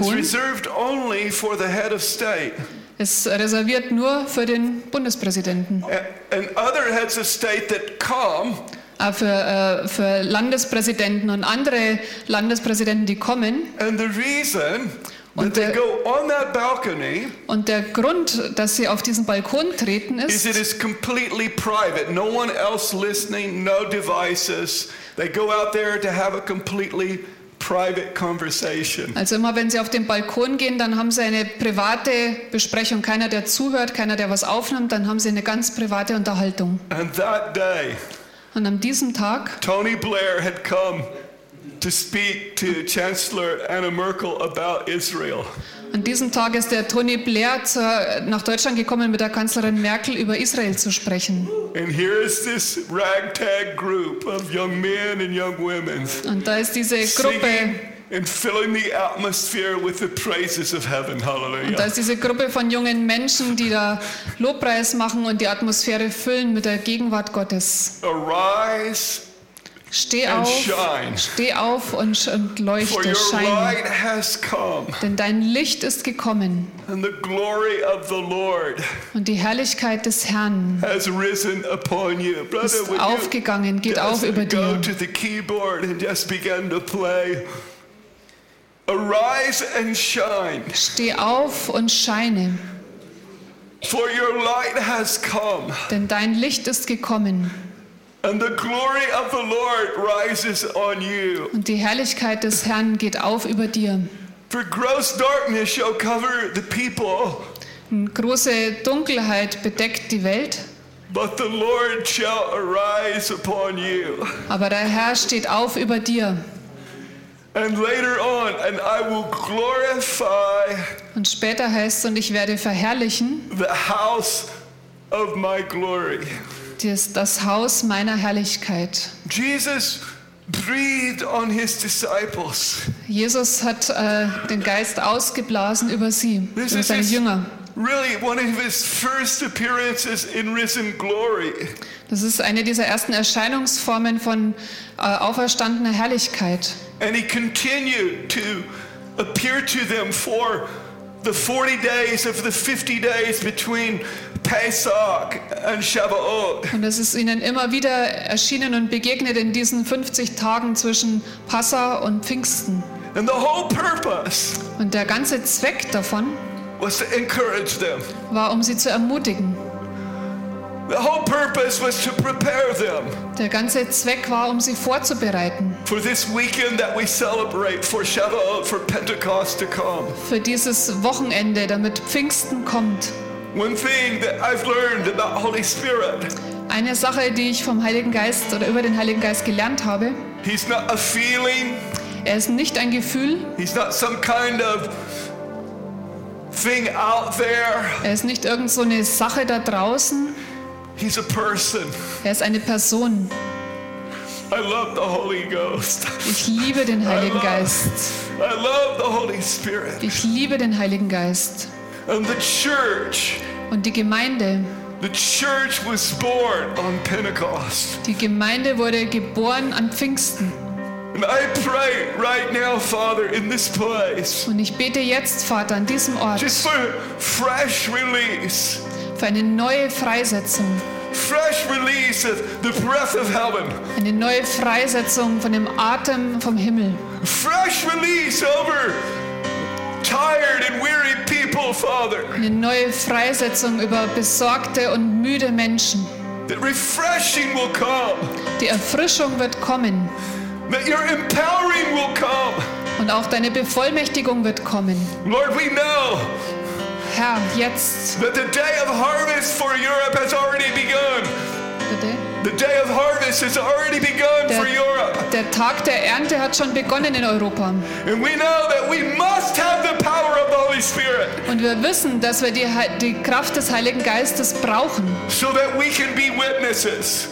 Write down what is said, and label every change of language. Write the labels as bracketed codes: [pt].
[en] Is reserved only for the head of state. [de] Ist reserviert nur für den Bundespräsidenten. [en] And other heads of state that come. [de] Für Landespräsidenten und andere Landespräsidenten, die kommen. [en] And the reason that they go on that balcony. [de] Und der Grund, dass sie auf diesen Balkon treten, ist. [en] Is it is completely private. No one else listening. No devices. They go out there to have a completely private conversation. [de] Also immer wenn sie auf den Balkon gehen, dann haben sie eine private Besprechung. Keiner, der zuhört, keiner, der was aufnimmt, dann haben sie eine ganz private Unterhaltung. [en] And that day, [de] und an diesem Tag, [en] Tony Blair had come to speak to Chancellor Angela Merkel about Israel. [de] An diesem Tag ist der Tony Blair nach Deutschland gekommen, mit der Kanzlerin Merkel über Israel zu sprechen. [en] And here is this ragtag group of young men and young women. [de] Und da ist diese Gruppe. [en] And filling the atmosphere with the praises of heaven. Hallelujah. [de] Und da ist diese Gruppe von jungen Menschen, die da Lobpreis machen und die Atmosphäre füllen mit der Gegenwart Gottes. [en] Arise. [de] Steh auf, [en] and shine. [de] Steh auf und leuchte, [en] for your [de] scheine. [en] Light has come. [de] Denn dein Licht ist gekommen. [en] And the glory of the Lord [de] und die Herrlichkeit des Herrn [en] has risen upon you. [de] Brother, ist aufgegangen, geht auf über dir. [en] Go to the keyboard and just begin to play. Arise and shine. [de] Steh auf und scheine. [en] For your light has come. [de] Denn dein Licht ist gekommen. [en] And the glory of the Lord rises on you. [de] Und die Herrlichkeit des Herrn geht auf über dir. [en] For gross darkness shall cover the people. [de] Große Dunkelheit bedeckt die Welt. [en] But the Lord shall arise upon you. [de] Aber der Herr steht auf über dir. [en] And later on, and I will glorify. [de] Und später heißt es, und ich werde verherrlichen. [en] The house of my glory. [de] Das Haus meiner Herrlichkeit. [en] Jesus breathed on his disciples. [de] Jesus hat den Geist ausgeblasen über sie, [en] this [de] über seine Jünger. [en] Really one of his first appearances in risen glory. [de] Das ist eine dieser ersten Erscheinungsformen von auferstandener Herrlichkeit. [en] And he continued to appear to them for the 40 days of the 50 days between Pesach and Shavuot. [de] Und es ist ihnen immer wieder erschienen und begegnet in diesen 50 Tagen zwischen Passa und Pfingsten. [en] And the whole purpose. [de] Und der ganze Zweck davon [en] was to encourage them. [de] War, um sie zu ermutigen. [en] The whole purpose was to prepare them. [de] Der ganze Zweck war, um sie vorzubereiten. [en] For this weekend that we celebrate, for Shavuot, for Pentecost to come. [de] Für dieses Wochenende, damit Pfingsten kommt. [en] One thing that I've learned about Holy Spirit. [de] Eine Sache, die ich vom Heiligen Geist oder über den Heiligen Geist gelernt habe. [en] He's not a feeling. [de] Er ist nicht ein Gefühl. [en] He's not some kind of thing out there. [de] Er ist nicht irgend so eine Sache da draußen. [en] He's a person. [de] Er ist eine Person. [en] I love the Holy Ghost. [de] Ich liebe den Heiligen Geist. [en] I love the Holy Spirit. [de] Ich liebe den Heiligen Geist. [en] And the church. [de] Und die Gemeinde. [en] The church was born on Pentecost. [de] Die Gemeinde wurde geboren an Pfingsten. [en] And I pray right now, Father, in this place. [de] Und ich bete jetzt, Vater, an diesem Ort. [en] Just for fresh release. [de] Für eine neue Freisetzung. [en] Fresh release of the breath of heaven. [de] Eine neue Freisetzung von dem Atem vom Himmel. [en] Fresh release over tired and weary people, Father. [de] Eine neue Freisetzung über besorgte und müde Menschen. [en] The refreshing will come. [de] Die Erfrischung wird kommen. [en] That your empowering will come. [de] Und auch deine Bevollmächtigung wird kommen. [en] Lord, we know. [de] Herr, jetzt. [en] That the day of harvest for Europe has already begun. The day of harvest has already begun for Europe. [de] Der Tag der Ernte hat schon begonnen in Europa. [en] And we know that we must have the power of the Holy Spirit. [de] Und wir wissen, dass wir die Kraft des Heiligen Geistes brauchen. [en] So that we can be witnesses.